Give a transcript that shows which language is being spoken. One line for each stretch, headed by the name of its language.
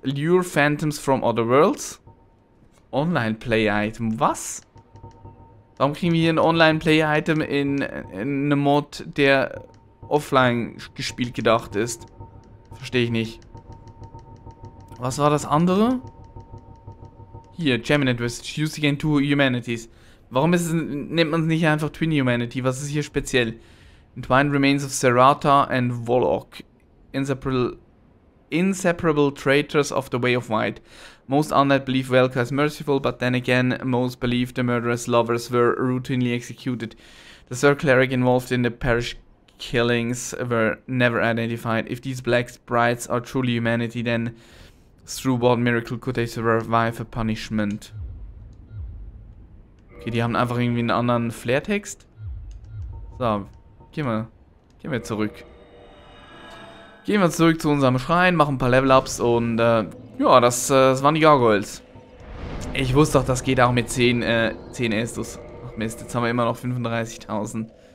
English: Lure Phantoms from Other Worlds.
German: Online-Play-Item. Was? Warum kriegen wir hier ein Online-Play-Item in einem Mod, der offline gespielt gedacht ist? Verstehe ich nicht. Was war das andere? Hier, Geminate Vestige.
English: Used again to Humanities.
German: Warum nennt man es nicht einfach Twin Humanity? Was ist hier speziell? Entwined Remains of Serata and Volok.
English: Inseparable traitors of the Way of Might. Most undead believe Velka is merciful, but then again, most believe the murderous lovers were routinely executed. The third cleric involved in the parish killings were never identified. If these black sprites are truly humanity, then through what miracle could they survive a punishment?
German: Okay, die haben einfach irgendwie einen anderen Flairtext. So, gehen wir zurück. Gehen wir zurück zu unserem Schrein, machen ein paar Level-Ups und ja, das waren die Gargoyles. Ich wusste doch, das geht auch mit 10 Estus. Ach Mist, jetzt haben wir immer noch 35.000.